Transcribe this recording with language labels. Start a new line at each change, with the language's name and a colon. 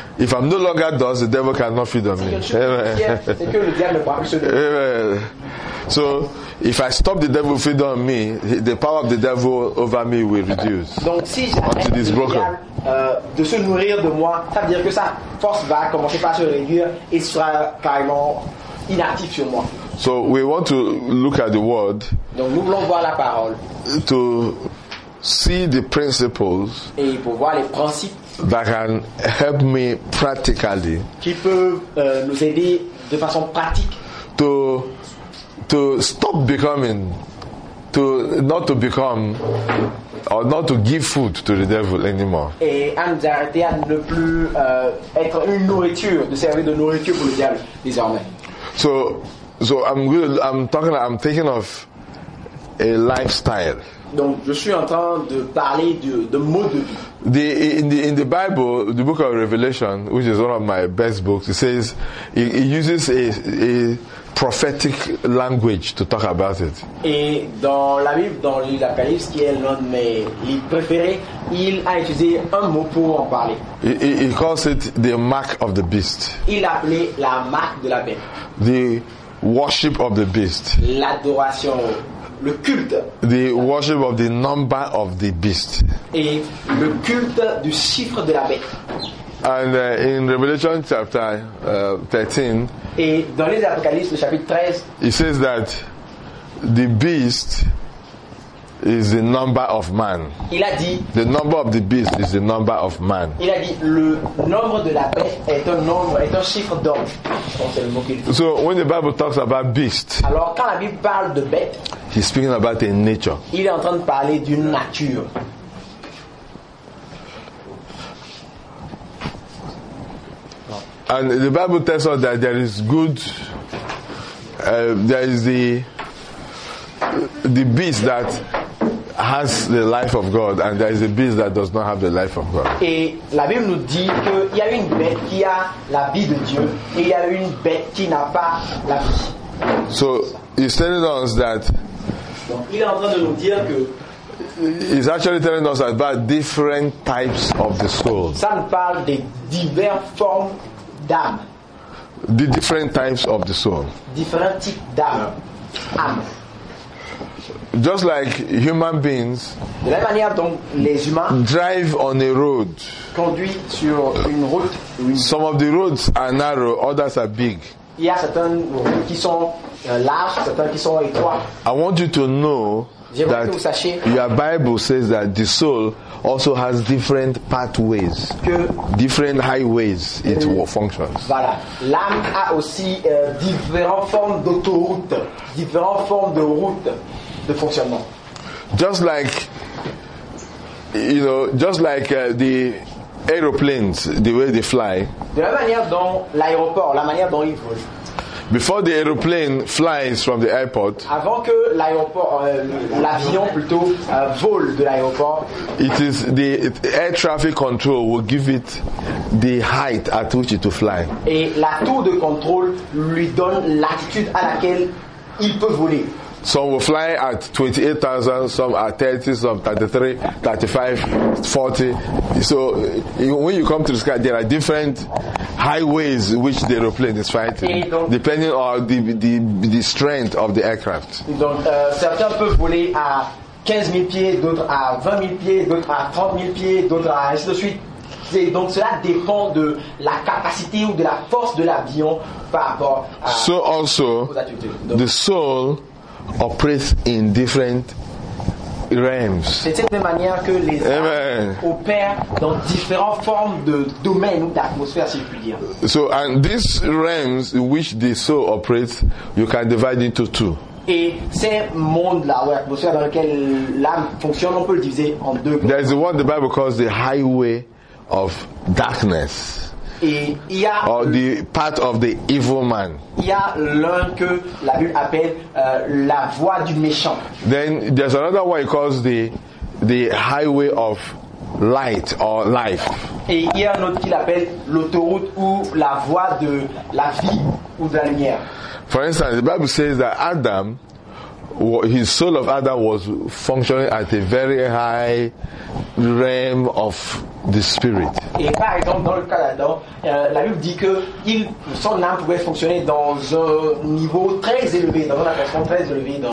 English: If I'm no longer dust, the devil cannot feed on me. Amen. So, if I stop the devil feed on me, the power of the devil over me will reduce.
French: Donc, si
English: until it is broken.
French: De se nourrir de moi, ça veut dire que sa force va commencer par se réduire et sera carrément inactif sur moi.
English: So, we want to look at the word.
French: Donc, nous voulons voir la parole.
English: To see the principles.
French: Et pour voir les principes.
English: That can help me practically.
French: Qui peut nous aider de façon pratique.
English: To stop becoming, to not to become, or not to give food to the devil anymore.
French: Et à nous arrêter à ne plus être une nourriture, de servir de nourriture pour le diable désormais.
English: So I'm thinking of a lifestyle.
French: Donc, je suis en train de parler de mode de vie.
English: In the Bible, the book of Revelation, which is one of my best books, it says it uses a prophetic language to talk about it.
French: Et dans la Bible, dans l'Île d'Apocalypse, qui est l'un de mes livres préférés, il a utilisé un mot pour en parler.
English: He calls it the mark of the beast.
French: Il appelait la marque de la bête.
English: The worship of the beast.
French: L'adoration. Le culte.
English: The worship of the number of the beast.
French: Et le culte du chiffre de la bête.
English: And in Revelation chapter 13.
French: Et dans les Apocalypse, le chapitre 13.
English: It says that the beast is the number of man.
French: Il a dit.
English: The number of the beast is the number of man.
French: Il a dit le nombre de la bête est un chiffre d'homme. Donc, c'est le mot qu'il dit.
English: So when the Bible talks about beast.
French: Alors quand la Bible parle de bête.
English: He's speaking about a nature.
French: Il est en train de parler d'une nature.
English: And the Bible tells us that there is good. There is the beast that has the life of God, and there is a beast that does not have the life of God.
French: Et la Bible nous dit que il y a une bête qui a la vie de Dieu et il y a une bête qui n'a pas la vie.
English: So he's telling us that.
French: Donc, il est en train de nous dire que.
English: He's actually telling us about different types of the soul.
French: Ça nous parle des diverses formes d'âme.
English: The different types of the soul.
French: Différents types d'âme. Âme.
English: Just like human beings.
French: De la manière dont les humains.
English: Drive on a road.
French: Conduit sur une route.
English: Some of the roads are narrow, others are big.
French: Il y a certains qui sont larges, certains qui sont étroits.
English: I want you to know. that your Bible says that the soul also has different pathways, different highways it functions.
French: Voilà. L'âme a aussi différentes formes d'autoroute, différentes formes de route de fonctionnement.
English: Just like, you know, just like the aeroplanes, the way they fly.
French: De la manière dont l'aéroport, la manière dont ils volent.
English: Before the aeroplane flies from the airport,
French: avant que l'aéroport, l'avion plutôt vole de l'aéroport,
English: it is the air traffic control will give it the height at which it will fly.
French: Et la tour de contrôle lui donne l'altitude à laquelle il peut voler.
English: Some will fly at 28,000, some at 30, some 33, 35, 40. So when you come to the sky, there are different highways which the aeroplane is fighting,
French: donc,
English: depending on the strength of the aircraft.
French: Donc, certains peuvent voler à 15,000 pieds, d'autres à 20,000 pieds, d'autres à 30,000 pieds, d'autres à ainsi de suite. Et donc cela dépend de la capacité ou de la force de l'avion par rapport à.
English: So also, the soul operates in different realms.
French: C'est de manière que les âmes opèrent dans différentes formes de domaines ou d'atmosphères, si je puis dire.
English: So, and these realms which the soul operates, you can divide into two.
French: Et ces mondes-là ou atmosphères dans lesquelles l'âme fonctionne, on peut le diviser en deux.
English: There is what the Bible calls the highway of darkness.
French: Et y a
English: or the path of the evil man.
French: Il y a l'un que la Bible appelle la voie du méchant.
English: Then there's another one he calls the highway of light or life.
French: Et il y a un autre qu'il appelle l'autoroute ou la voie de la vie ou de la lumière.
English: For instance, the Bible says that Adam, his soul of Adam was functioning at a very high realm of the spirit.
French: Et par exemple, dans le cas d'Adam, la Bible dit que son âme pouvait fonctionner dans un niveau très élevé, dans une atmosphère très élevée.